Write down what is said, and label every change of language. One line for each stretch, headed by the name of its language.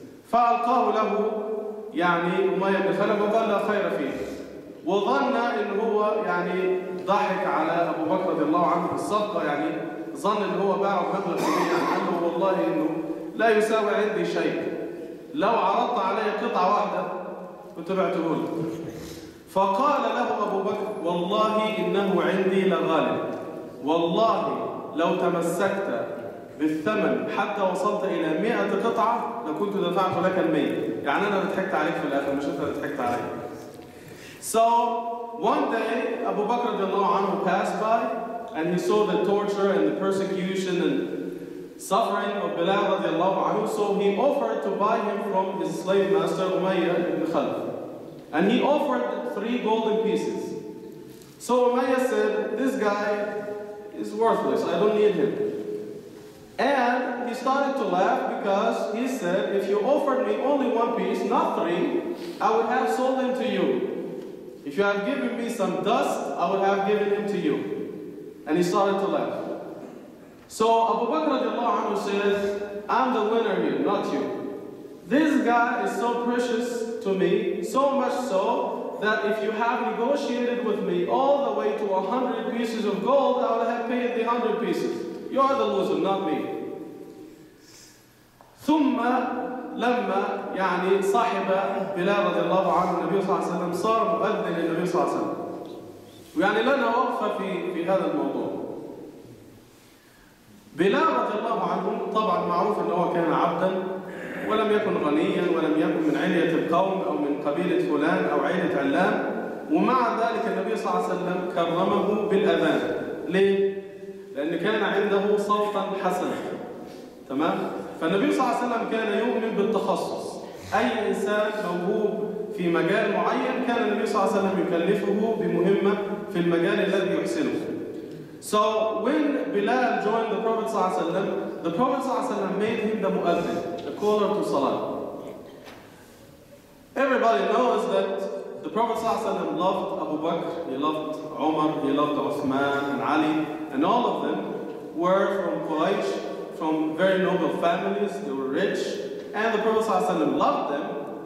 Arabic: Fa'alqahu lahu, يعني أمية بن خلف, وقال لا خير فيه, وظن إن هو يعني ضحك على أبو بكر رضي الله عنه بالصدقة, يعني ظن إن هو باعه مبلغ كبير, يعني قال له والله إنه لا يساوي عندي شيء, لو عرضت علي قطعة واحدة كنت بعته لك. فقال له أبو بكر والله إنه عندي لغالب, والله لو تمسكت بالثمن حتى وصلت إلى 100 قطعة لكنت دفعت لك 100. يعني أنا ضحكت عليك في الآخر, مش أنت ضحكت علي.
English: So one day Abu Bakr
Arabic: رضي الله عنه
English: passed by and he saw the torture and the persecution and suffering of Bilal رضي الله عنه, so he offered to buy him from his slave master Umayyah ibn Khalaf, and he offered 3 golden pieces. So Umayyah said, "This guy is worthless. I don't need him." And he started to laugh because he said, "If you offered me only 1 piece, not 3, I would have sold him to you. If you have given me some dust, I would have given him to you." And he started to laugh. So Abu Bakr radiallahu anhu says, "I'm the winner here, not you. This guy is so precious to me, so much so that if you have negotiated with me all the way to 100 pieces of gold, I would have paid the 100 pieces. You are the loser, not me."
Arabic: ثم لما يعني صاحب بلال رضي الله عنه النبي صلى الله عليه وسلم صار مؤذن للنبي صلى الله عليه وسلم, يعني لنا وقفة في هذا الموضوع. بلال رضي الله عنه طبعا معروف أنه كان عبدا ولم يكن غنيا ولم يكن من علية القوم أو من قبيلة فلان أو عيلة علام, ومع ذلك النبي صلى الله عليه وسلم كرمه بالأذان. ليه؟ لأن كان عنده صوتا حسنا, تمام؟ فالنبي صلى الله عليه وسلم كان يؤمن بالتخصص, أي إنسان موهوب في مجال معين كان النبي صلى الله عليه وسلم يكلفه بمهمة في المجال الذي يحسنه.
English: So when Bilal joined the Prophet
Arabic: صلى الله عليه وسلم,
English: the Prophet صلى الله عليه وسلم made him the مؤذن, the caller to Salah. Everybody knows that the Prophet
Arabic: صلى الله عليه وسلم
English: loved Abu Bakr, he loved Umar, he loved Uthman and Ali, and all of them were from Quraysh, from very noble families, they were rich, and the Prophet صلى الله عليه وسلم loved them.